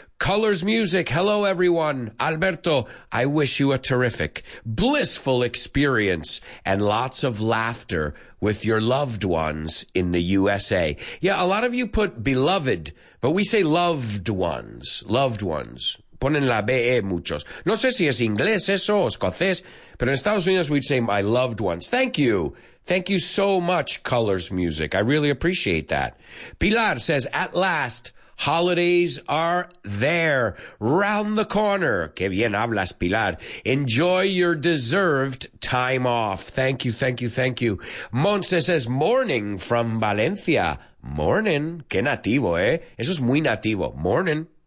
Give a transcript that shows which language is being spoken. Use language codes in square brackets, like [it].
[en] Colors Music, hello, everyone. Alberto, I wish you a terrific, blissful experience and lots of laughter with your loved ones in the USA. Yeah, a lot of you put beloved, but we say loved ones, loved ones. [es] Ponen la BE muchos. No sé si es inglés eso o escocés, pero en Estados Unidos [en] we'd say my loved ones. Thank you. Thank you so much, Colors Music. I really appreciate that. Pilar says, at last, holidays are there, round the corner. [es] Que bien hablas, Pilar. [en] Enjoy your deserved time off. Thank you, thank you, thank you. Montse says, morning from Valencia. Morning. [es] Que nativo, eh? Eso es muy nativo. [en] Morning.